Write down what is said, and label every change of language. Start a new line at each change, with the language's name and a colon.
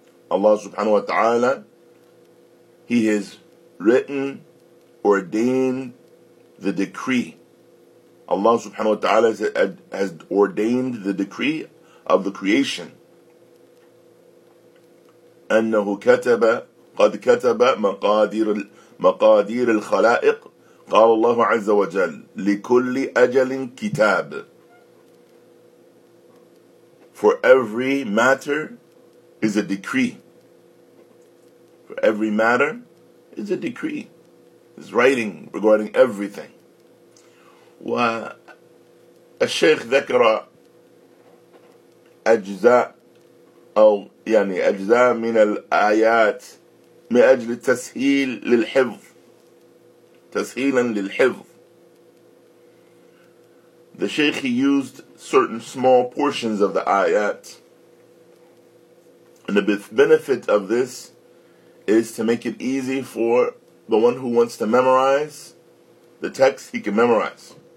English: Allah subhanahu wa ta'ala, He has written, ordained the decree. Allah subhanahu wa ta'ala has ordained the decree of the creation.
Arabic: أَنَّهُ كَتَبَ قَدْ كَتَبَ مَقَادِرَ مقادير الخلائق قال الله عز وجل لكل أجل كتاب.
English: For every matter is a decree. For every matter is a decree. It's writing regarding everything.
Arabic: والشيخ ذكر أجزاء أو يعني أجزاء من الآيات من أجل التسهيل للحفظ. تسهيلا للحفظ.
English: The Shaykh, he used certain small portions of the ayat. And the benefit of this is to make it easy for the one who wants to memorize the text, he can memorize.